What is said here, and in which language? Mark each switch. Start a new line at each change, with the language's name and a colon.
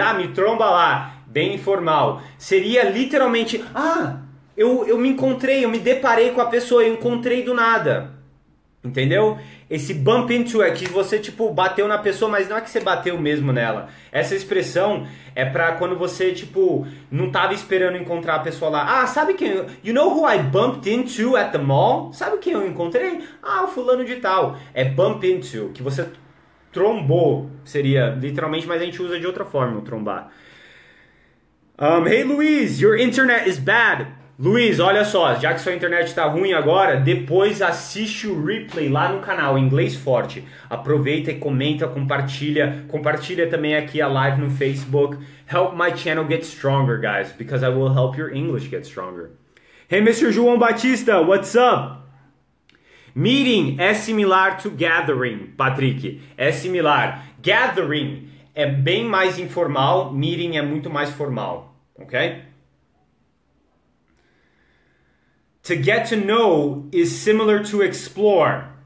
Portuguese: Ah, me tromba lá. Bem informal. Seria literalmente, ah, eu me encontrei, eu me deparei com a pessoa, eu encontrei do nada. Entendeu? Esse bump into é que você tipo bateu na pessoa, mas não é que você bateu mesmo nela. Essa expressão é pra quando você tipo não tava esperando encontrar a pessoa lá. Ah, sabe quem?
English: You know who I bumped into at the mall?
Portuguese: Sabe quem eu encontrei? Ah, o fulano de tal. É bump into, que você trombou, seria literalmente, mas a gente usa de outra forma, o trombar.
English: Hey Luiz, your internet is bad.
Portuguese: Luiz, olha só, já que sua internet está ruim agora, depois assiste o replay lá no canal Inglês Forte. Aproveita e comenta, compartilha. Compartilha também aqui a live no Facebook.
English: Help my channel get stronger, guys, because I will help your English get stronger. Hey, Mr. João Batista, what's up? Meeting é similar to gathering, Patrick.
Portuguese: É similar. Gathering é bem mais informal, meeting é muito mais formal.
English: Okay? To get to know is similar to explore.